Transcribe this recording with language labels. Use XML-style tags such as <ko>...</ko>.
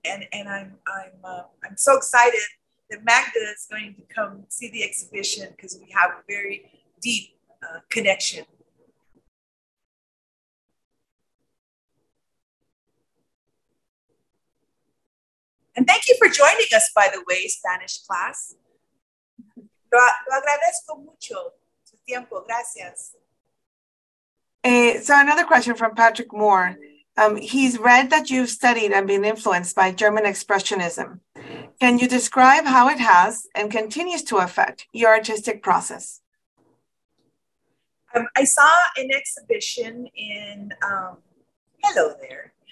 <en>And I'm so excited that Magda is going to come see the exhibition, because we have a very deep connection. And thank you for joining us, by the way, Spanish class.</en> <es>Lo agradezco mucho su tiempo. Gracias.</es> <en>So another question from Patrick Moore. He's read that you've studied and been influenced by German Expressionism. Can you describe how it has and continues to affect your artistic process? I saw an exhibition in... hello there.</en>